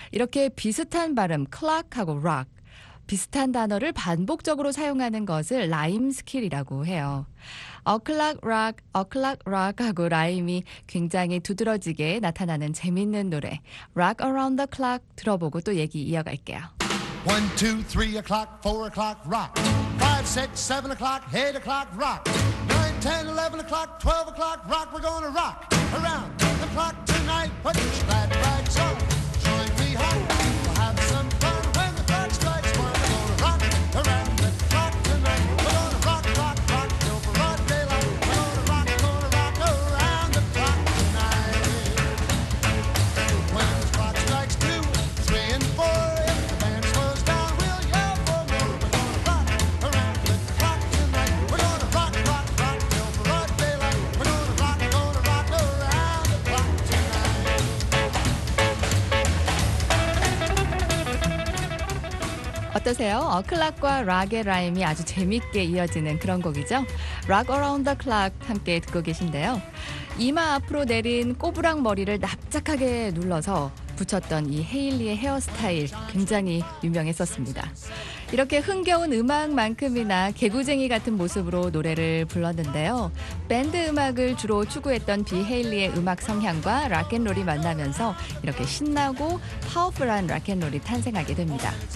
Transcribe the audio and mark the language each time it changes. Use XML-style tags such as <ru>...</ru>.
<ko>이렇게 비슷한 발음 clock하고 rock 비슷한 단어를 반복적으로 사용하는 것을 라임 스킬이라고 해요.</ko> <en>A clock rock, a clock rock</en> <ko>하고 라임이 굉장히 두드러지게 나타나는 재밌는 노래 Rock Around the Clock 들어보고 또 얘기 이어갈게요.</ko> <en>1, 2, 3 o'clock, 4 o'clock rock 5, 6, 7 o'clock, 8 o'clock rock 9, 10, 11 o'clock, 12 o'clock rock We're gonna rock around the clock tonight Put your glad rags on Join me, hon, we'll have some fun When the clock strikes one We're gonna rock around the clock tonight We're gonna rock, rock, rock Till broad daylight We're gonna rock around the clock tonight When the clock strikes two, three and four If the band slows down, we'll yell for more We're gonna rock around the clock tonight We're gonna rock, rock, rock Till broad daylight We're gonna rock around the clock tonight</en> <ko>어떠세요? 어클락과 락의 라임이 아주 재밌게 이어지는 그런 곡이죠? Rock Around the Clock 함께 듣고 계신데요. 이마 앞으로 내린 꼬부랑 머리를 납작하게 눌러서 붙였던 이 헤일리의 헤어스타일 굉장히 유명했었습니다. 이렇게 흥겨운 음악만큼이나 개구쟁이 같은 모습으로 노래를 불렀는데요. 밴드 음악을 주로 추구했던 비 헤일리의 음악 성향과 락앤롤이 만나면서 이렇게 신나고 파워풀한 락앤롤이 탄생하게 됩니다.</ko>